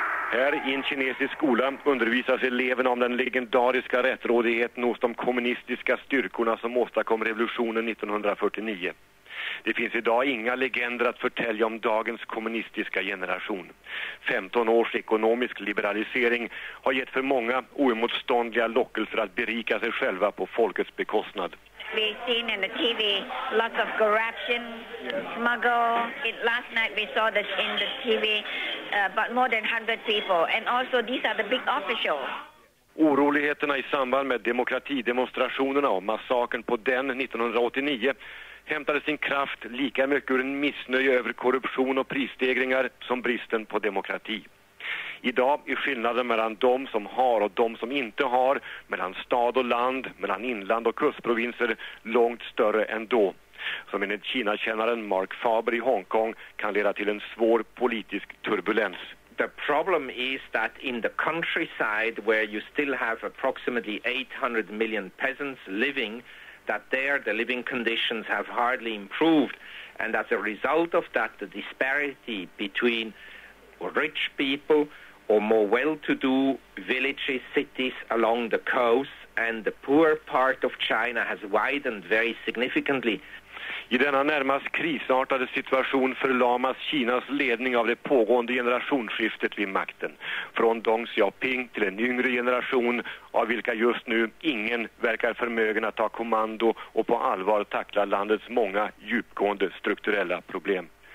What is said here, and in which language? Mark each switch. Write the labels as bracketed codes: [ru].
[sv] Här i en kinesisk skola undervisas eleverna om den legendariska rättrådigheten hos de kommunistiska styrkorna som åstadkom revolutionen 1949. Det finns idag inga legender att förtälja om dagens kommunistiska generation. 15 års ekonomisk liberalisering har gett för många oemotståndliga lockelser att berika sig själva på folkets bekostnad. [en] We've seen in the TV lots of corruption, smuggle. Last night we saw that in the TV, but more than 100 people. And also these are the big officials. [sv] Oroligheterna i samband med demokratidemonstrationerna och massakern på den 1989 hämtade sin kraft lika mycket ur en missnöje över korruption och prisstegringar som bristen på demokrati. Idag är skillnaden mellan de som har och de som inte har, mellan stad och land, mellan inland och kustprovinser, långt större än då. Som enligt Kina-kännaren Mark Faber i Hongkong kan leda till en svår politisk turbulens. [en] The problem is that in the countryside where you still have approximately 800 million peasants living, that there the living conditions have hardly improved. And as a result of that, the disparity between rich people or more well-to-do villages, cities along the coast and the poor part of China has widened very significantly. [sv] I denna närmast krisartade situation förlamas Kinas ledning av det pågående generationsskiftet vid makten. Från Deng Xiaoping till en yngre generation av vilka just nu ingen verkar förmögen att ta kommando och på allvar tackla landets många djupgående strukturella problem.